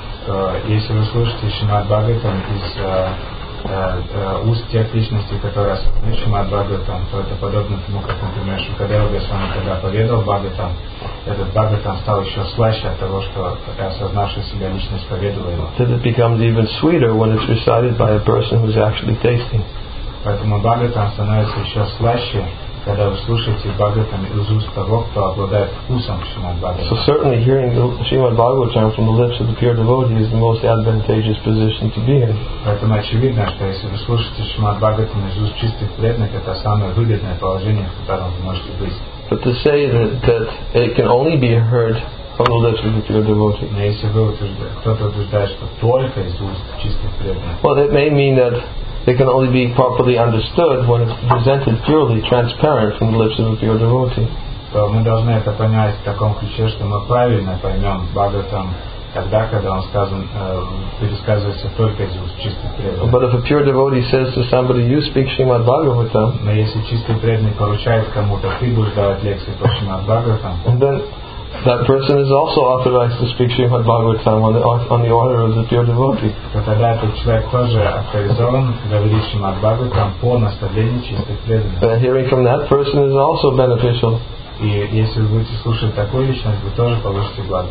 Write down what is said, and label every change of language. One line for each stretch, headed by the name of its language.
Russian: Если вы слышите Шримад Бхагаватам из уст тех личностей, которые осознают Шримад Бхагаватам, то это подобно тому, как, например, Шукадева Госвами, когда поведал Бхагаватам, этот Бхагаватам стал еще слаще от того, что осознавшая себя личность поведала его.
English: Then it becomes even sweeter when it's recited by a person who's actually tasting.
Russian: Поэтому Бхагаватам становится еще слаще, когда вы слушаете Бхагаватам из уст того, кто обладает вкусом Шримад Бхагаватам.
English: So certainly hearing the Shrimad Bhagavatam from the lips of the pure devotee is the most advantageous position to be in.
Russian: Поэтому очевидно, что если вы слушаете Шримад Бхагаватам из уст чистых преданных, это самое выгодное положение, в котором вы можете быть.
English: But to say that it can only be heard from the lips of the pure devotee.
Russian: Если вы утверждаете, что только из уст чистых преданных.
English: Well, that may mean that it can only be properly understood when it's presented purely, transparent from the lips of a pure devotee.
Russian: Мы должны это понять в таком ключе, что мы правильно поймем Бхагаватам тогда, когда он сказан, пересказывается только из чистых преданных.
English: But if a pure devotee says to somebody, you speak Shrimad Bhagavatam,
Russian: но если чистый преданный поручает кому-то, ты будешь давать лекции по Шримад Бхагаватам,
English: then that person is also authorized to speak Srimad Bhagavatam on the order of the pure devotee.
Russian: So тогда этот человек тоже авторизован говорить Шримад Бхагаватам по наставлению чистых преданных. And hearing from that person is also beneficial. И если вы будете слушать такую личность, вы тоже получите благо.